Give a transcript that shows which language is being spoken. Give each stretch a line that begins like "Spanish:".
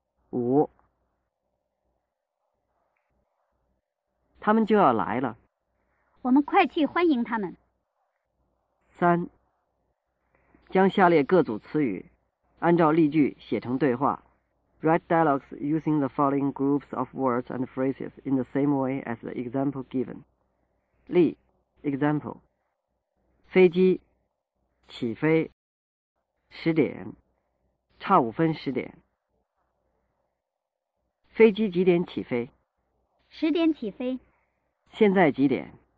Chinese: 五，他们就要来了，我们快去欢迎他们。三，将下列各组词语按照例句写成对话。
English: Write dialogues using the following groups of words and phrases in the same way as the example given.
Chinese: 例，example，飞机起飞，十点，差5分十点。飞机几点起飞？ 10点起飞，现在几点？